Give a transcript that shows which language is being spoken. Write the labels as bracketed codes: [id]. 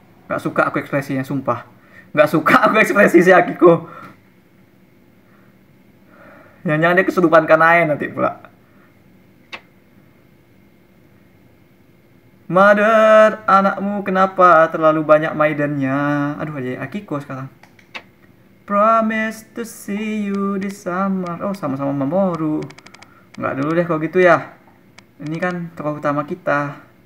[id] Gak suka aku ekspresinya, sumpah. Gak suka aku ekspresi si Akiko. Jangan-jangan dia kesurupan Kanae nanti pula. Mother, anakmu kenapa terlalu banyak maidennya? Aduh, aja Akiko sekarang. [en] Promise to see you this summer. [id] Oh, sama-sama Mamoru. Enggak dulu deh kalau gitu ya. Ini kan tokoh utama kita.